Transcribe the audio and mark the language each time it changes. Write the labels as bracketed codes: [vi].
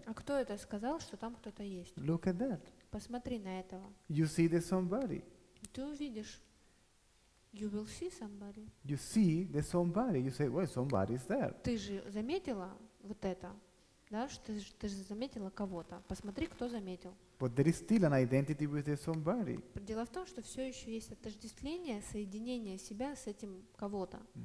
[ru] А кто это сказал, что там кто-то есть? [en] Look at that. [ru] Посмотри на этого. [en] You see the somebody. [ru] Ты увидишь. [en] You will see somebody. You see the somebody. You say, well, somebody is there. [ru] Ты же заметила вот это, да? Ты же заметила кого-то. Посмотри, кто заметил. But there is still an identity with the somebody. Дело в том, что все еще есть отождествление, соединение себя с этим кого-то.